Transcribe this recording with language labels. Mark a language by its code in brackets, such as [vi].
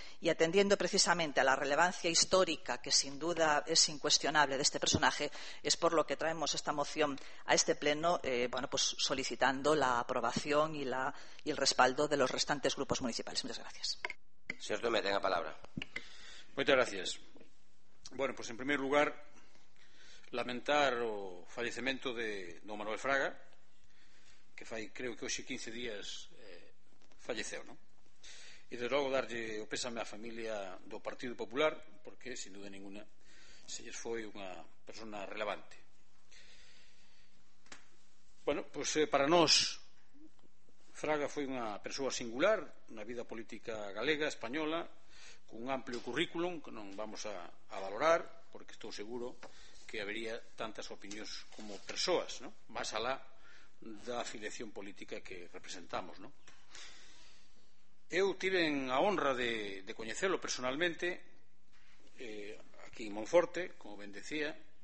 [es] Y atendiendo precisamente a la relevancia histórica, que sin duda es incuestionable, de este personaje, es por lo que traemos esta moción a este pleno, solicitando la aprobación y el respaldo de los restantes grupos municipales. Muchas gracias. Señor Dume, tenga palabra. Muchas gracias. [gl] Bueno, pues en primer lugar, lamentar o fallecemento de don Manuel Fraga, que fai, creo que hoxe 15 días falleceu, ¿no? E de logo darlle o pésame á familia do Partido Popular, porque, sin duda ninguna, se lles foi unha persona relevante. Bueno, pues para nós, Fraga foi unha persoa singular na vida política galega, española, cun amplio currículum que non vamos a valorar, porque estou seguro que habería tantas opinións como persoas, ¿no? Más alá da afiliación política que representamos, ¿no? Eu tiven a honra de coñecelo personalmente aquí en Monforte, como ben decía.